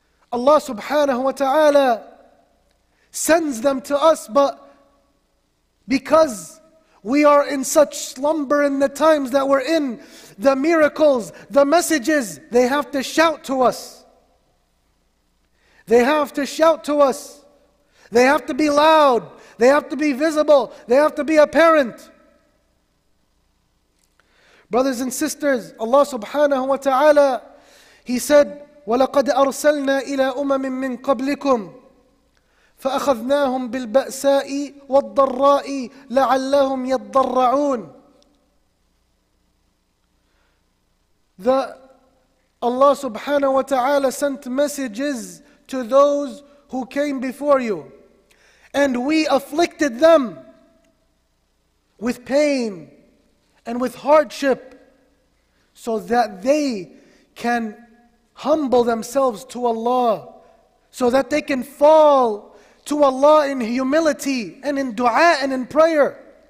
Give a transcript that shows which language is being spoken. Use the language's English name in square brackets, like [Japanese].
[English] Allah subhanahu wa ta'ala sends them to us, but because we are in such slumber in the times that we're in, the miracles, the messages, they have to shout to us. They have to shout to us. They have to be loud. They have to be visible. They have to be apparent. Brothers and sisters, Allah subhanahu wa ta'ala, He said, [Arabic] وَلَقَدْ أَرْسَلْنَا إِلَىٰ أُمَمٍ مِّن قَبْلِكُمْ فَأَخَذْنَاهُمْ بِالْبَأْسَاءِ وَالضَّرَّاءِ لَعَلَّهُمْ يَتْضَرَّعُونَ. [English] That Allah subhanahu wa ta'ala sent messages to those who came before you, and we afflicted them with pain and with hardship so that they can humble themselves to Allah, so that they can fall to Allah in humility and in dua and in prayer.